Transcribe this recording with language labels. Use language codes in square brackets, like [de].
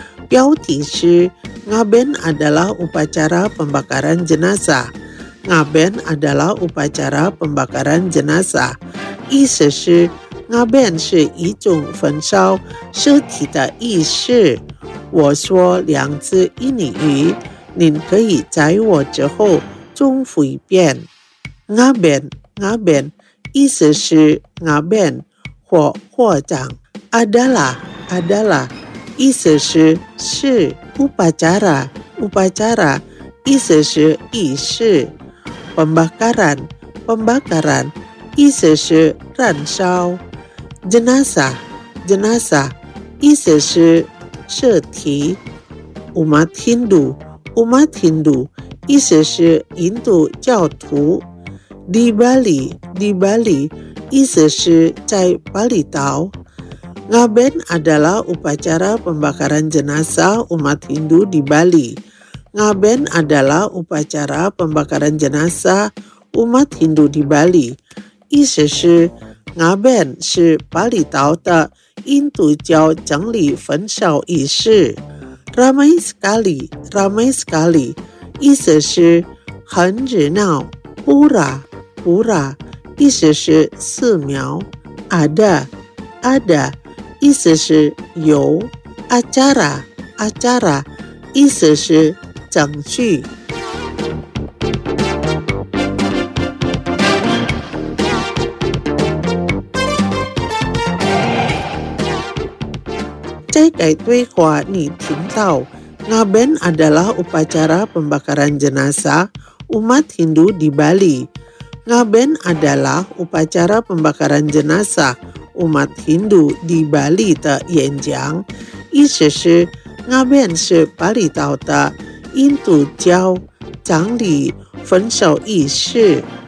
[id] Judulnya adalah Ngaben adalah upacara pembakaran jenazah. Ngaben adalah upacara pembakaran jenazah. [zh] 意思是 Ngaben 是一种焚烧尸体的意思。我说两字印尼语，您可以在我之后重复一遍。 Ngaben, Ngaben 意思是 Ngaben 或火葬。 Adalah, Adalah 意思是是。 Upacara, upacara, 意思是仪式。 Pembakaran, pembakaran, 意思是燃烧。 Jenazah, jenazah, 意思是尸体。 [id] Umat Hindu, umat Hindu, [zh] 意思是印度教徒。 Di Bali, di Bali, 意思是在巴厘岛。 [id] Ngaben adalah upacara pembakaran jenazah umat Hindu di Bali. Ngaben adalah upacara pembakaran jenazah umat Hindu di Bali. [zh] 意思是 Ngaben 是巴厘岛的印度教整理焚烧仪式。 [id] Ramai sekali, ramai sekali, [zh] 意思是很热闹。 Pura, pura, 意思是寺庙。 Ada, ada. 意思是有。 Acara, acara, 意思是程序。这个对话你听到 [id] Ngaben adalah upacara pembakaran jenazah umat Hindu di Bali. Ngaben adalah upacara pembakaran jenazahUmat Hindu di Bali [zh] 的演讲，意思是 Ngaben 是巴厘岛的印度教长里焚烧仪式。